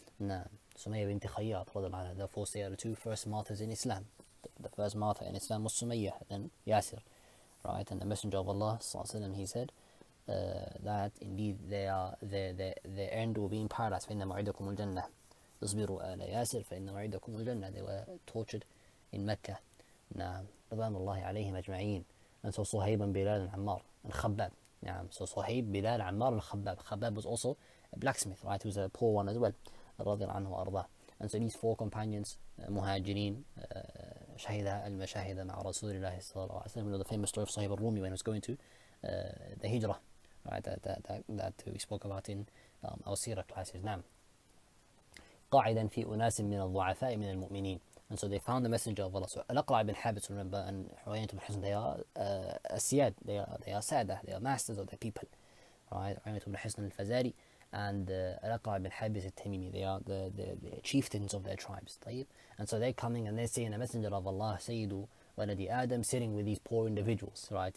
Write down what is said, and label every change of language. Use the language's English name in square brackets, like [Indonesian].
[English] Sumayya bint Khayyat, therefore they are the two first martyrs in Islam. The first martyr in Islam was Sumayya, then Yasir. Right? And the Messenger of Allah, he said, that indeed they are their end will be in paradise, [Arabic] فَإِنَّ مَعِدَكُمُ الْجَنَّةِ. اصبروا على ياسر فإن وعدكم الجنة. [English] They were tortured in Mecca. [Arabic] نعم. رضوان الله عليهم أجمعين. [English] And so [Arabic] صهيب بلال عمار الخباب. نعم. [English] So صهيب بلال عمار الخباب. خباب was also a blacksmith, right? He was a poor one as well. [Arabic] رضي الله عنه وأرضاه. [English] And so these four companions, مهاجرين, [Arabic] شهد المشاهد مع رسول الله صلى الله عليه وسلم. [English] You know the famous story of صهيب الرومي when he was going to the Hijrah, right? That we spoke about in our Sira classes. [Arabic] نعم. قاعدا في أناس من الضعفاء من المؤمنين. [English] And so they found the Messenger of Allah. So Al-Aqra' ibn Habis, remember, and Uyaynah ibn Hisn, they are Asiyad, they are Sadah, they are masters of the people. Right? Uyaynah ibn Hisn al-Fazari and Al-Aqra' ibn Habis al-Tamimi, they are the chieftains of their tribes. [Arabic] طيب. [English] And so they're coming and they're seeing the Messenger of Allah, Sayyidu Waladi Adam, sitting with these poor individuals, right?